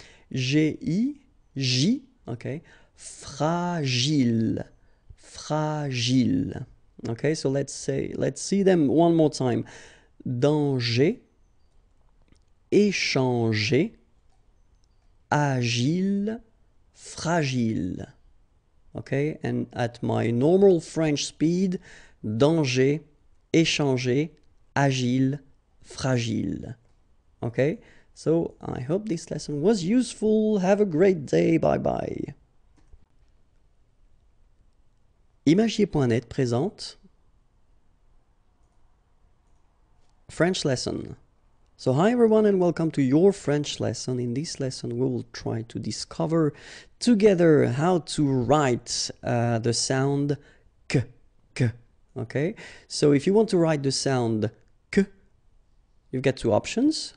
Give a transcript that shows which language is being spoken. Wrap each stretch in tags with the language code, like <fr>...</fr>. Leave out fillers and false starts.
<en>J-I, J, okay, fragile, fragile, okay, so let's see them one more time, danger, échanger, agile, fragile, okay, and at my normal French speed, danger, échanger, agile, fragile, okay. So, I hope this lesson was useful. Have a great day. Bye-bye.</en> <fr>Imagier.net présente</fr> <en>French lesson. So hi everyone and welcome to your French lesson. In this lesson we will try to discover together how to write the sound k, k. Okay, so if you want to write the sound k, you've got two options.</en>